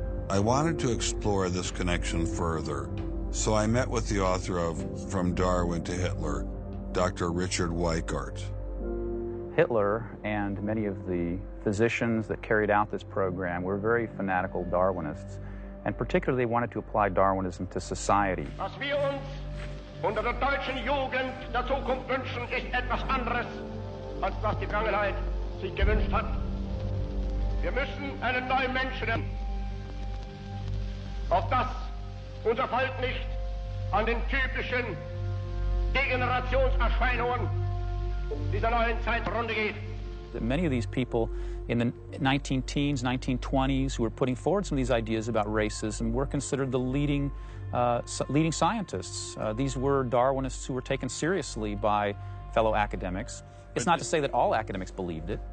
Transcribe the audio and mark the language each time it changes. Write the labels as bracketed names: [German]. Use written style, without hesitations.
[English] I wanted to explore this connection further, so I met with the author of From Darwin to Hitler, Dr. Richard Weikart. Hitler and many of the physicians that carried out this program were very fanatical Darwinists. And particularly they wanted to apply Darwinism to society. [German] Was wir uns unter der deutschen Jugend der Zukunft wünschen, ist etwas anderes, als was die Vergangenheit sich gewünscht hat. Wir müssen einen neuen Menschen haben. Auf das unser Volk nicht an den typischen Degenerationserscheinungen dieser neuen Zeit runde geht. [English] Many of these people in the 19-teens, 1920s, who were putting forward some of these ideas about racism, were considered the leading scientists. These were Darwinists who were taken seriously by fellow academics. It's not to say that all academics believed it.